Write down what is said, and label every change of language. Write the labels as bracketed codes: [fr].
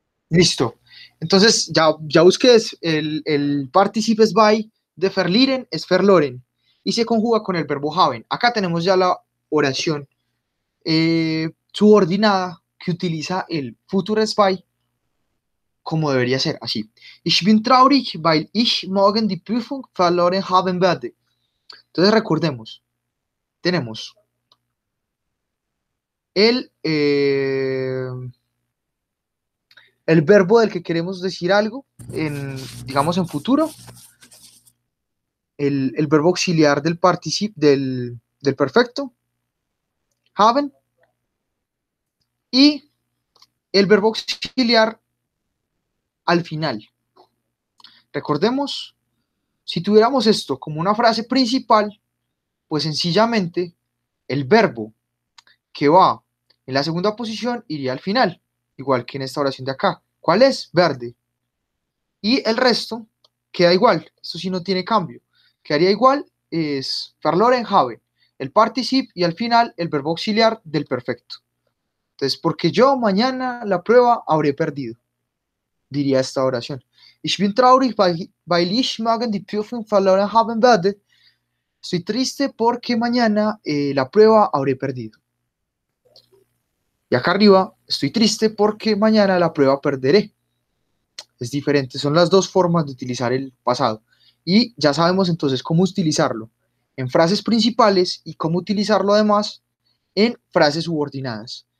[es] Listo. Entonces, ya busqué el participes by de verlieren es verloren. Y se conjuga con el verbo haben. Acá tenemos ya la oración subordinada que utiliza el futuro svay como debería ser, así. [de] Ich bin traurig, weil ich morgen die Prüfung verloren haben werde. [es] Entonces recordemos, tenemos el verbo del que queremos decir algo, digamos en futuro, el verbo auxiliar del participio del perfecto, haben, y el verbo auxiliar al final. Recordemos, si tuviéramos esto como una frase principal, pues sencillamente el verbo que va en la segunda posición iría al final, igual que en esta oración de acá. ¿Cuál es? Verde. Y el resto queda igual. Esto sí no tiene cambio. Quedaría igual es [de] verloren haben, [es] el particip y al final el verbo auxiliar del perfecto. Entonces, porque yo mañana la prueba habré perdido, diría esta oración. [de] Ich bin traurig, weil ich morgen die Prüfung verloren haben werde. [es] Estoy triste porque mañana la prueba habré perdido. Y acá arriba, estoy triste porque mañana la prueba perderé. Es diferente, son las dos formas de utilizar el pasado. Y ya sabemos entonces cómo utilizarlo en frases principales y cómo utilizarlo además en frases subordinadas.